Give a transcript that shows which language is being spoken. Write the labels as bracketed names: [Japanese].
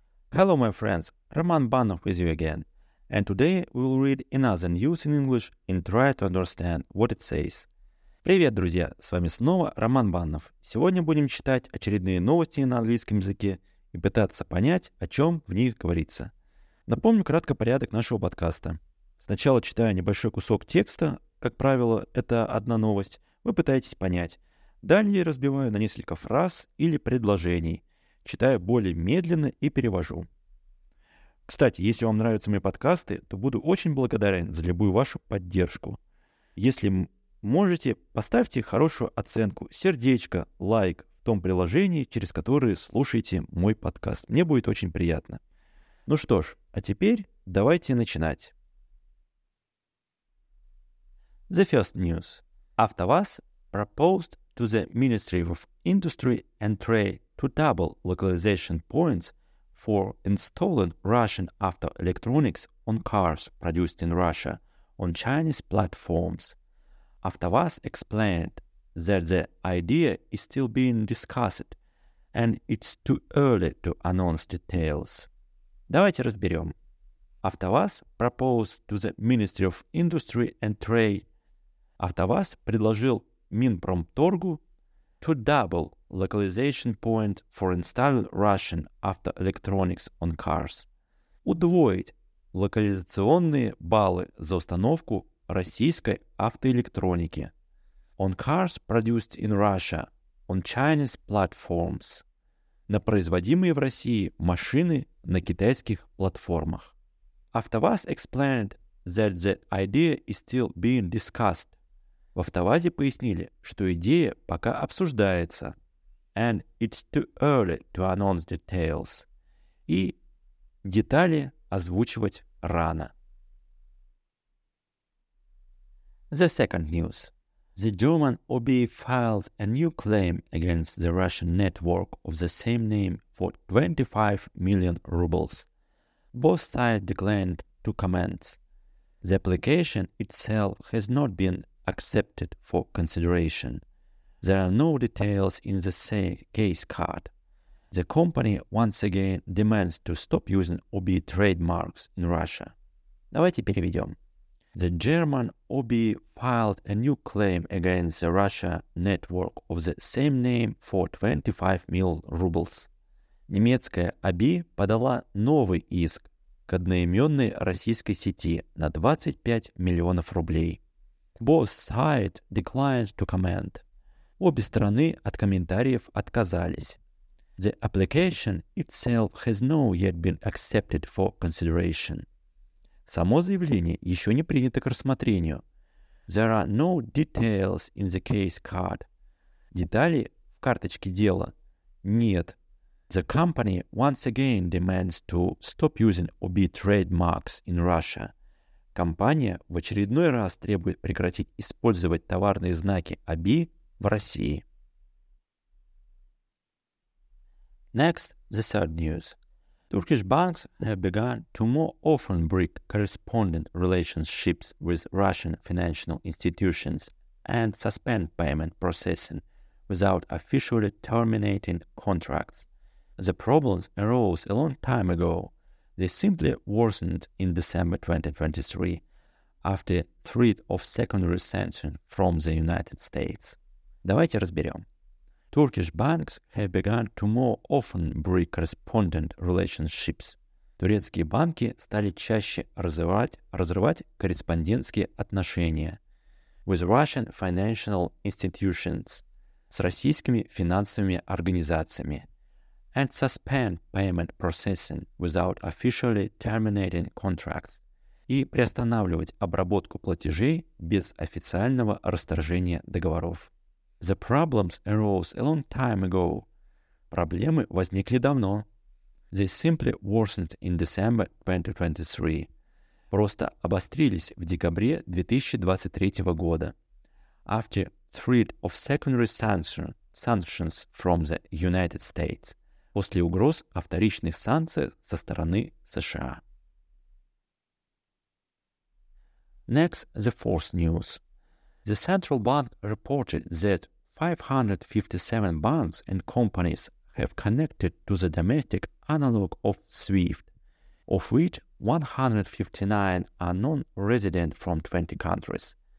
[English] Hello, my friends, Roman Banov with you again. And today we will read another news in English and try to understand what it says. [Russian] Привет, друзья, с вами снова Роман Банов. Сегодня будем читать очередные новости на английском языке и пытаться понять, о чем в них говорится. Напомню кратко порядок нашего подкаста. Сначала читаю небольшой кусок текста, как правило, это одна новость, вы пытаетесь понять. Далее разбиваю на несколько фраз или предложений. Читаю более медленно и перевожу. Кстати, если вам нравятся мои подкасты, то буду очень благодарен за любую вашу поддержку. Если можете, поставьте хорошую оценку, сердечко, лайк в том приложении, через которое слушаете мой подкаст. Мне будет очень приятно. Ну что ж, а теперь давайте начинать. [English] The first news. AvtoVAZ proposed to the Ministry of Industry and Trade to double localization points for installing Russian auto-electronics on cars produced in Russia on Chinese platforms. AvtoVAZ explained that the idea is still being discussed and it's too early to announce details. [Russian] Давайте разберем. [English] AvtoVAZ proposed to the Ministry of Industry and Trade. [Russian] AvtoVAZ предложил Минпромторгу [English] to double localization point for installing Russian auto-electronics on cars. [Russian] Удвоить локализационные баллы за установку российской автоэлектроники [English] on cars produced in Russia, on Chinese platforms. [Russian] На производимые в России машины на китайских платформах. [English] AvtoVAZ explained that the idea is still being discussed. [Russian] В АвтоВАЗе пояснили, что идея пока обсуждается. [English] And it's too early to announce details. [Russian] И детали озвучивать рано. [English] The second news. The German OB filed a new claim against the Russian network of the same name for 25 million rubles. Both sides declined to comment. The application itself has not been accepted for consideration. There are no details in the same case card. The company once again demands to stop using OBE trademarks in Russia. [Russian] Давайте переведем. [English] The German OBE filed a new claim against the Russia network of the same name for 25 million rubles. [Russian] Немецкая OBE подала новый иск к одноименной российской сети на 25 миллионов рублей. [English] Both sides declined to comment. [Russian] Обе стороны от комментариев отказались. [English] The application itself has no yet been accepted for consideration. [Russian] Само заявление еще не принято к рассмотрению. [English] There are no details in the case card. [Russian] Деталей в карточке дела нет. [English] The company once again demands to stop using OBE trademarks in Russia. [Russian] Компания в очередной раз требует прекратить использовать товарные знаки OBE в России. [English] Next, the third news. Turkish banks have begun to more often break correspondent relationships with Russian financial institutions and suspend payment processing without officially terminating contracts. The problems arose a long time ago. They simply worsened in December 2023 after threat of secondary sanction from the United States. [Russian] Давайте разберем. [English] Turkish banks have begun to more often break correspondent relationships. [Russian] Турецкие банки стали чаще разрывать корреспондентские отношения [English] with Russian financial institutions, [Russian] с российскими финансовыми организациями, [English] and suspend payment processing without officially terminating contracts, [Russian] и приостанавливать обработку платежей без официального расторжения договоров. [English] The problems arose a long time ago. [Russian] Проблемы возникли давно. [English] They simply worsened in December 2023. [Russian] Просто обострились в декабре 2023 года. [English] After threat of secondary sanctions from the United States. [Russian] После угроз о вторичных санкциях со стороны США. [English] Next, the fourth news. The Central Bank reported that 557 banks and companies have connected to the domestic analog of SWIFT, of which 159 are non-resident from 20 countries.